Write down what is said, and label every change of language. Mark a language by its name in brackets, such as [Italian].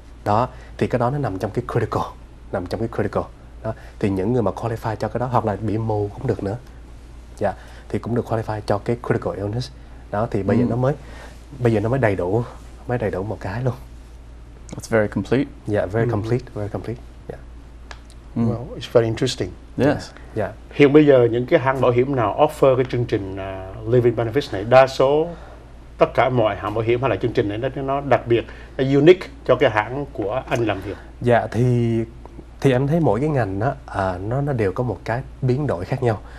[Vietnamese] Đó, thì cái đó nó nằm trong cái critical đó. Thì những người mà qualify cho cái đó, hoặc là bị mù cũng được nữa. Dạ, thì cũng được qualify cho cái critical illness. Đó, thì bây giờ nó mới đầy đủ một cái luôn. [English] It's very complete. Yeah, very complete, very complete. Well, it's very interesting. Yes. Yeah. [Vietnamese] Hiện bây giờ những cái hãng bảo hiểm nào offer cái chương trình Living Benefits này, đa số tất cả mọi hãng bảo hiểm hay là chương trình này nó đặc biệt, nó unique cho cái hãng của anh làm việc. Dạ, thì em thấy mỗi cái ngành đó, nó đều có một cái biến đổi khác nhau.